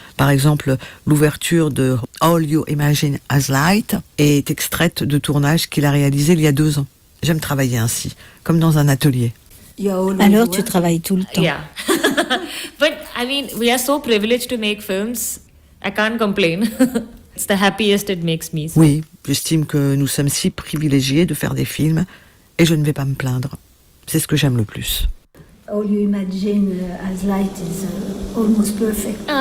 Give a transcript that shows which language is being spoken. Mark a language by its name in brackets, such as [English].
[French] Par exemple, l'ouverture de All You Imagine As Light est extraite de tournage qu'il a réalisé il y a 2 ans. J'aime travailler ainsi, comme dans un atelier. Alors tu travailles tout le temps. [English] Yeah. But I mean, we are so privileged to make films. I can't complain. It's the happiest it makes me. [French] Oui, j'estime que nous sommes si privilégiés de faire des films et je ne vais pas me plaindre. C'est ce que j'aime le plus. [English] all you imagine as light is almost perfect.